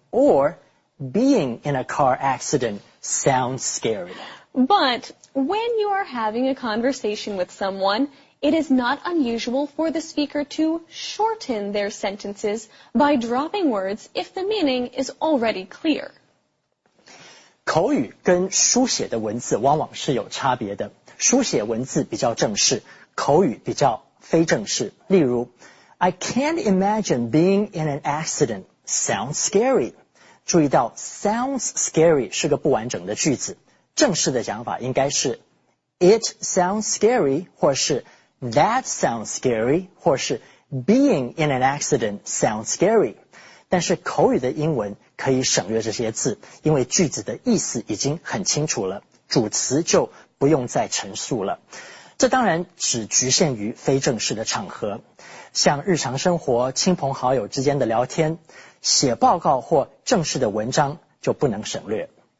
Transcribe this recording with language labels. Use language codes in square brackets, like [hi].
[en] Or being in a car accident sounds scary. But when you are having a conversation with someone, it is not unusual for the speaker to shorten their sentences by dropping words if the meaning is already clear. [zh] 口语跟书写的文字往往是有差别的。书写文字比较正式，口语比较非正式。例如 [en] ,I can't imagine being in an accident. Sounds scary. [zh] 注意到 [en] sounds scary [zh] 是个不完整的句子。正式的讲法应该是 [en] ,it sounds scary, 或是 that sounds scary, 或是 being in an accident sounds scary. [zh] 但是口语的英文可以省略这些字，因为句子的意思已经很清楚了，主词就不用再陈述了。这当然只局限于非正式的场合，像日常生活、亲朋好友之间的聊天，写报告或正式的文章就不能省略。